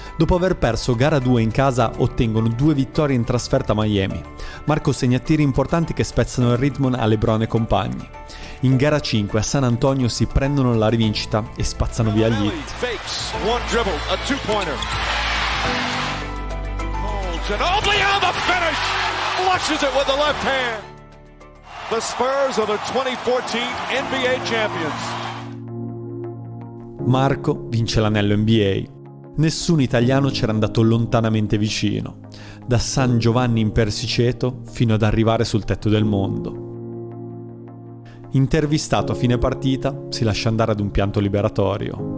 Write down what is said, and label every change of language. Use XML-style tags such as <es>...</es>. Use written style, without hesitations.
<it>Dopo aver perso gara 2 in casa, ottengono 2 vittorie in trasferta a Miami. Marco segna tiri importanti che spezzano il ritmo a LeBron e compagni. In gara 5 a San Antonio si prendono la rivincita e spazzano via gli Heat.</it> <en>Ginobili on the finish, flushes it with the left hand. The Spurs are the 2014 NBA champions.</en> <it>Marco vince l'anello NBA. Nessun italiano c'era andato lontanamente vicino, da San Giovanni in Persiceto fino ad arrivare sul tetto del mondo. Intervistato a fine partita, si lascia andare ad un pianto liberatorio.</it>